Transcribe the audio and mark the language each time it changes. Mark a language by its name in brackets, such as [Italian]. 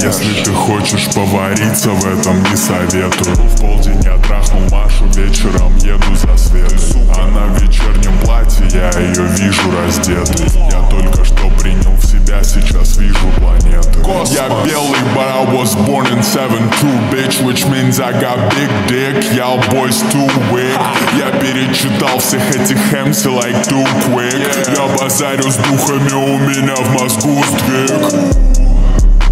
[Russian] Если ты хочешь повариться в этом, не советую. В полдень я трахнул Машу, вечером еду за Светой. Она в вечернем платье, я ее вижу раздетой. Я только что принял в себя, сейчас вижу планеты. Космос. Я белый, [English] but I was born in 7-2, bitch. Which means I got big dick, y'all boys too weak. [Russian] Я перечитал всех этих MC [English] like too quick. [Russian] Я базарю с духами, у меня в мозгу сдвиг.